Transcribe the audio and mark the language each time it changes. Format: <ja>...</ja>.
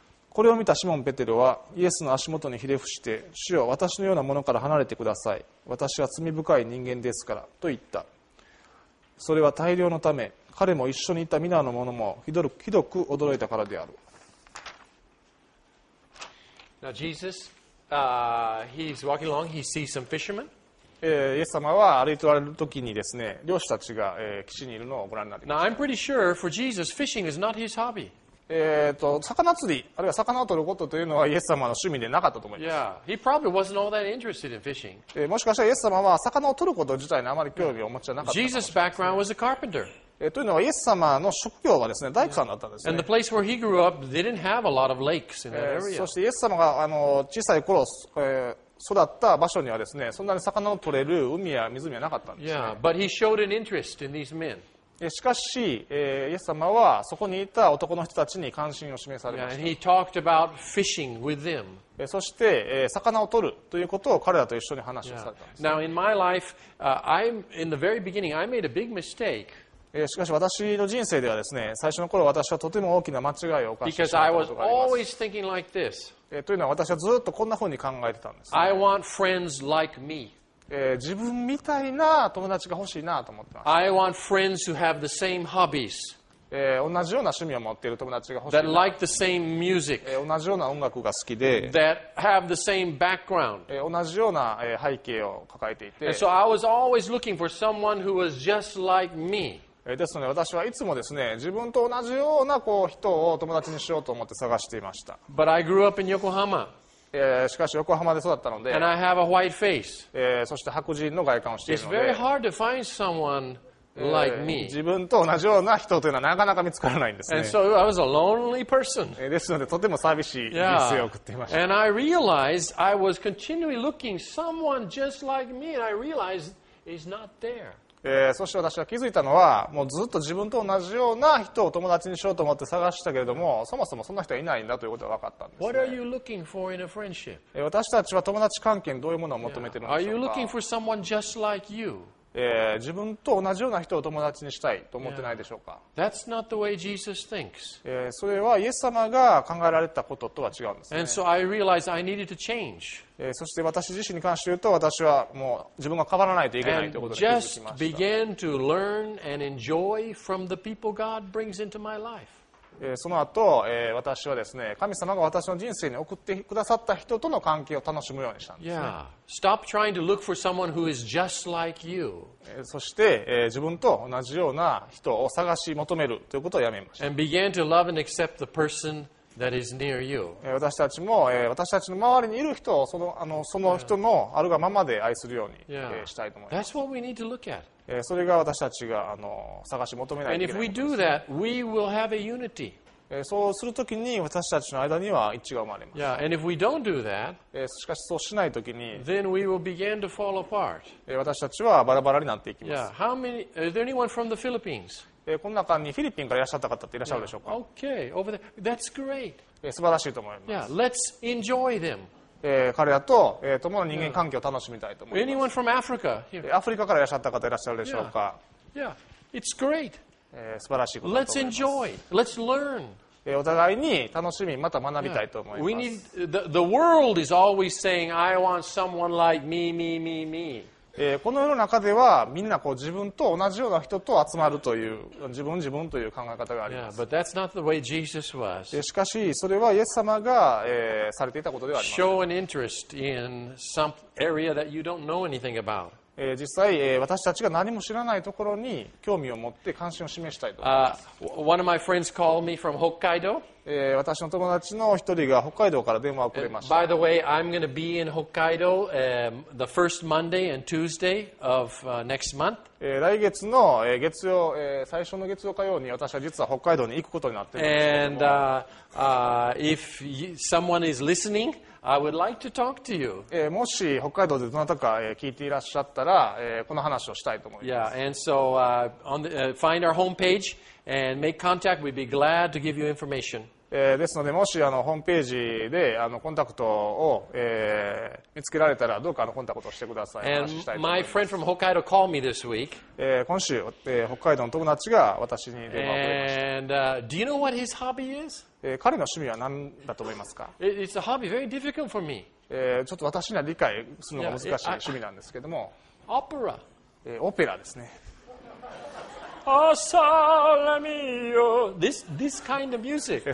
<ja>これを見たシモン・ペテロはイエスの足元にひれ伏して、主よ、私のようなものから離れてください。私は罪深い人間ですから、と言った。それは大漁のため、彼も一緒にいたミナの者もひどく驚いたからである。</ja> <en>Now Jesus, he's walking along, he sees some fishermen.</en> <ja>イエス様は歩いておられるときにですね、漁師たちが、岸にいるのをご覧になってます。</ja> <en>Now I'm pretty sure for Jesus, fishing is not his hobby.</en> <ja>魚釣り、あるいは魚を取ることというのはイエス様の趣味でなかったと思います。</ja> <en>Yeah, he probably wasn't all that interested in fishing.</en> <ja>もしかしたらイエス様は魚を取ること自体にあまり興味をお持ちじゃなかった。</ja> <en>Jesus' background was a carpenter.</en> <ja>というのはイエス様の職業はですね、大工さんだったんですね。</ja> <en>And the place where he grew up, they didn't have a lot of lakes in that area.</en> <ja>そしてイエス様が小さい頃、育った場所にはですね、そんなに魚を取れる海や湖はなかったんですね。</ja> <en>Yeah, but he showed an interest in these men.</en> <ja>しかし、イエス様はそこにいた男の人たちに関心を示されました。</ja> <en>Yeah, and he talked about fishing with them.</en> <ja>そして、魚を取るということを彼らと一緒に話をされたんです。</ja> <en>Yeah. Now in my life, in the very beginning, I made a big mistake.</en> <ja>しかし私の人生ではですね、最初の頃私はとても大きな間違いを犯してしまったことがあります。</ja> <en>Because I was always thinking like this.</en> <ja>というのは私はずっとこんなふうに考えてたんです、ね。</ja> <en>I want friends like me.</en> <ja>自分みたいな友達が欲しいなと思ってます。</ja> <en>I want friends who have the same hobbies.</en> <ja>同じような趣味を持っている友達が欲しいな。</ja> <en>That like the same music.</en> <ja>同じような音楽が好きで。</ja> <en>That have the same background.</en> <ja>同じような背景を抱えていて。</ja> <en>And so I was always looking for someone who was just like me.</en> <ja>ですので私はいつもですね、自分と同じようなこう人を友達にしようと思って探していました。</ja> <en>But I grew up in Yokohama.</en> <ja>しかし横浜で育ったので、</ja> <en>And I have a white face.</en> <ja>そして白人の外観をしているので、</ja> <en>It's very hard to find someone like me.</en> <ja>自分と同じような人というのはなかなか見つからないんですね。</ja> <en>And so I was a lonely person.</en> <ja>ですのでとても寂しい人生を送っていました。</ja> <en>Yeah. And I realized I was continually looking someone just like me, and I realized it's not there.</en> <ja>そして私は気づいたのは、もうずっと自分と同じような人を友達にしようと思って探したけれども、そもそもそんな人はいないんだということが分かったんです、ね。</ja> <en>What are you looking for in a friendship?</en> <ja>私たちは友達関係にどういうものを求めているんでしょうか。</ja> <en>Are you looking for someone just like you?</en> <ja>自分と同じような人を友達にしたいと思ってないでしょうか。</ja> <en>Yeah. That's not the way Jesus thinks.</en> <ja>それはイエス様が考えられたこととは違うんですね。</ja> <en>And so I realized I needed to change.</en> <ja>そして私自身に関して言うと、私はもう自分が変わらないといけないということに気づきました。</ja> <en>And just began to learn and enjoy from the people God brings into my life.</en> <ja>その後、私はですね、神様が私の人生に送ってくださった人との関係を楽しむようにしたんですね。</ja> <en>Yeah. Stop trying to look for someone who is just like you.</en> <ja>そして、自分と同じような人を探し求めるということをやめました。</ja> <en>And began to love and accept the person that is near you.</en> <ja>私たちも、私たちの周りにいる人をその人のあるがままで愛するように、したいと思います。</ja> <en>That's what we need to look at.</en> <ja>それが私たちが探し求めないといけないものです。そうするときに私たちの間には一致が生まれます。</ja> <en>Yeah, and if we don't do that,</en> <ja>しかしそうしないときに</ja> <en>then we will begin to fall apart.</en> <ja>私たちはバラバラになっていきます。</ja> <en>Yeah, how many, is there anyone from the Philippines?</en> <ja>この中にフィリピンからいらっしゃった方っていらっしゃるでしょうか。</ja> <en>Yeah, okay, over there. That's great.</en> <ja>素晴らしいと思います。</ja> <en>Yeah, let's enjoy them.</en> <ja>彼らと共の人間関係を楽しみたいと思います。</ja> <en>Anyone from Africa?</en> <ja>アフリカからいらっしゃった方いらっしゃるでしょうか。</ja> <en>Yeah, it's great.</en> <ja>素晴らしいことだと思います。</ja> <en>Let's enjoy. Let's learn.</en> <ja>お互いに楽しみまた学びたいと思います。</ja> <en>We need the world is always saying, I want someone like me, me, me, me.</en> <ja>この世の中ではみんなこう自分と同じような人と集まるという自分という考え方があります。</ja> <en>Yeah, but that's not the way Jesus was.</en> <ja>しかしそれはイエス様が、されていたことではありません。</ja> <en>Show an interest in some area that you don't know anything about.</en> <ja>実際、私たちが何も知らないところに興味を持って関心を示したいと思います。</ja> <en>One of my friends called me from Hokkaido.</en> <ja>私の友達の一人が北海道から電話をくれました。</ja> <en>By the way, I'm going to be in Hokkaido, the first Monday and Tuesday of, next month.</en> <ja>来月の月曜、最初の月曜火曜に私は実は北海道に行くことになっているんですけども。</ja> <en>And, if someone is listening, I would like to talk to you.</en> <ja>もし北海道でどなたか聞いていらっしゃったら、この話をしたいと思います。</ja> <en>Yeah, and so, find our homepage.And make contact, we'd be glad to give you information.</en> <ja>ですのでもしホームページでコンタクトを見つけられたらどうかコンタクトをしてください。</ja> <en>And my friend from Hokkaido called me this week.</en> <ja>今週、北海道の友達が私に電話をくれました。</ja> <en>And do you know what his hobby is?</en> <ja>彼の趣味は何だと思いますか?</ja> <en>It's a hobby very difficult for me.</en> <ja>ちょっと私には理解するのが難しい趣味なんですけども。オペラ。オペラですね。おさらみよ</ja> <en>this kind of music.</en>